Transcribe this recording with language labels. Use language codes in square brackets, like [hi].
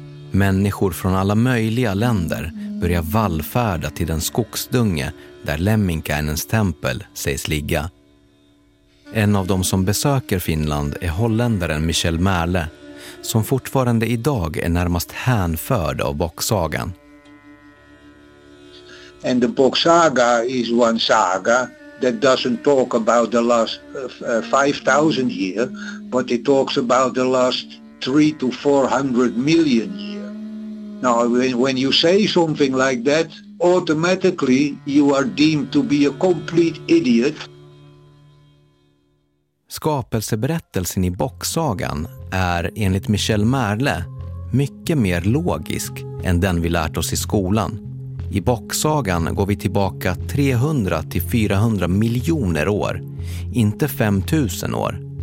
[sv] Människor från alla möjliga länder börjar vallfärda till den skogsdunge där Lemminkainens tempel sägs ligga. En av dem som besöker Finland är holländaren Michel Merle, som fortfarande idag är närmast hänförd av boksagan. [en] And the boksaga is one saga that doesn't talk about the last 5,000 years, but it talks about the last 300 to 400 million years. Now, when you say something like that, automatically you are deemed to be a complete idiot. [sv] Skapelseberättelsen i boksagan är, enligt Michel Merle, mycket mer logisk än den vi lärt oss i skolan. I boksagan går vi tillbaka 300-400 miljoner år, inte 5000 år.